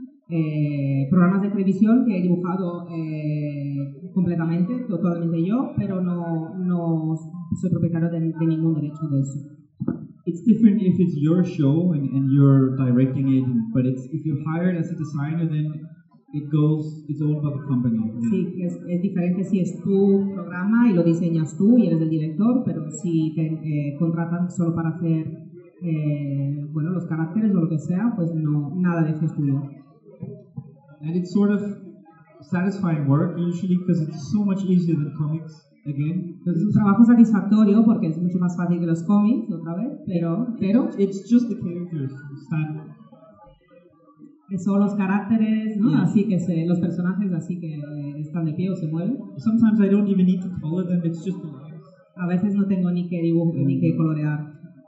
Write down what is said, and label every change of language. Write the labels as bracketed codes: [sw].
[es] Hay programas de televisión que he dibujado completamente, totalmente yo, pero no soy propietario de ningún derecho de eso. [en] It's different if it's your show and you're directing it, but it's if you're hired as a designer, then it's owned by the company. Yeah. [es] Sí, es diferente si es tu programa y lo diseñas tú y eres el director, pero si te contratan solo para hacer los caracteres o lo que sea, pues no, nada de eso es tuyo. [en] And it's sort of satisfying work usually because it's so much easier than comics. Again, [es] es un trabajo satisfactorio porque es mucho más fácil que los cómics otra vez, pero [en] it's just the characters stand. [es] Es solo los caracteres, ¿no? Yeah. Así que los personajes así que están de pie o se mueven. [en] Sometimes I don't even need to color them, it's just the lines. [es] A veces no tengo ni que dibujar ni que colorear.